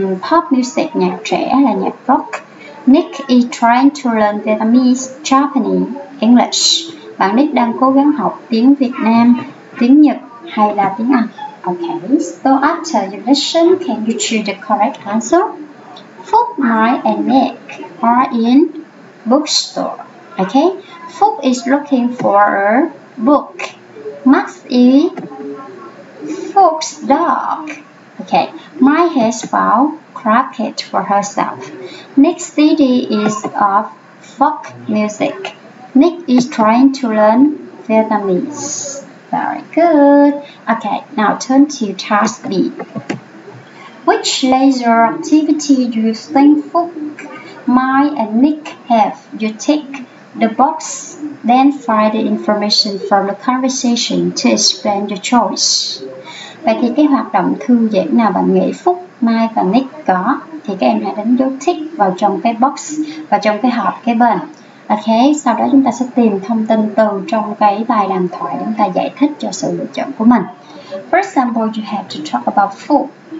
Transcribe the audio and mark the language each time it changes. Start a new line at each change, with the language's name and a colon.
English: Pop music,
Vietnamese: nhạc trẻ là nhạc rock.
English: Nick is trying to learn Vietnamese, Japanese, English.
Vietnamese: Bạn Nick đang cố gắng học tiếng Việt Nam, tiếng Nhật hay là tiếng Anh.
English: Okay, so after you listen, can you choose the correct answer? Phúc, Mai and Nick are in bookstore. Okay, Phúc is looking for a book. Max is Phúc's dog. Okay, Mai has found cricket for herself. Nick's CD is of folk music. Nick is trying to learn Vietnamese. Very good. Okay, now turn to task B. Which leisure activity do you think Phúc, Mai and Nick have? You tick the box, then find the information from the conversation to explain your choice.
Vietnamese: Vậy thì cái hoạt động thư giãn nào bạn nghĩ Phúc, Mai và Nick có thì các em hãy đánh dấu tick vào trong cái box, vào trong cái hộp kế bên. Ok, sau đó chúng ta sẽ tìm thông tin từ trong cái bài đàm thoại để chúng ta giải thích cho sự lựa chọn của mình.
English: For example, you have to talk about food.